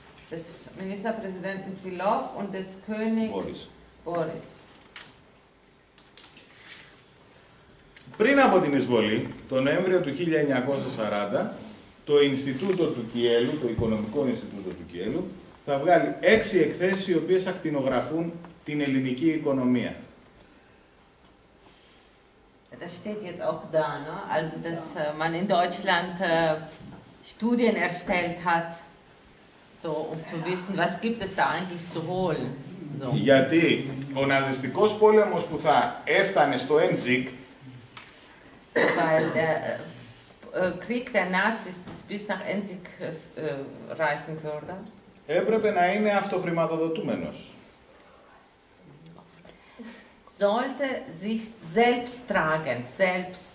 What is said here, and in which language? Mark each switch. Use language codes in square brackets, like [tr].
[de] des Ministerpräsidenten Φιλόφ und des Königs Βόρης. [el] Πριν από την εισβολή, το Νοέμβριο του 1940, το Ινστιτούτο του Κιέλου, το Οικονομικό Ινστιτούτο του Κιέλου, θα βγάλει 6 εκθέσεις οι οποίες ακτινογραφούν την ελληνική οικονομία. [de] das steht jetzt auch da, ne? Also dass man in Deutschland Studien erstellt hat, so um zu wissen, was gibt es da eigentlich zu holen. So. [el] Γιατί ο ναζιστικός πόλεμος που θα έφτανε στο Ένζικ. [de] Weil der Krieg der Nazis bis nach Ένζικ reichen würde. [el] Έπρεπε να είναι αυτοχρηματοδοτούμενος. [de] Sollte sich selbsttragend sein.